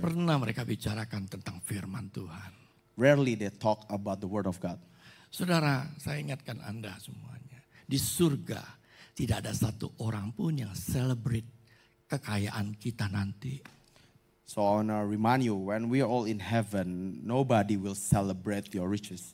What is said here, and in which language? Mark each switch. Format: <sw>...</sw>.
<id>Pernah mereka bicarakan tentang firman Tuhan.</id> <en>Rarely they talk about the word of God.</en> <id>Saudara, saya ingatkan Anda semuanya. Di surga tidak ada satu orang pun yang celebrate kekayaan kita nanti.</id> <en>So I want to remind you, when we are all in heaven, nobody will celebrate your riches.</en>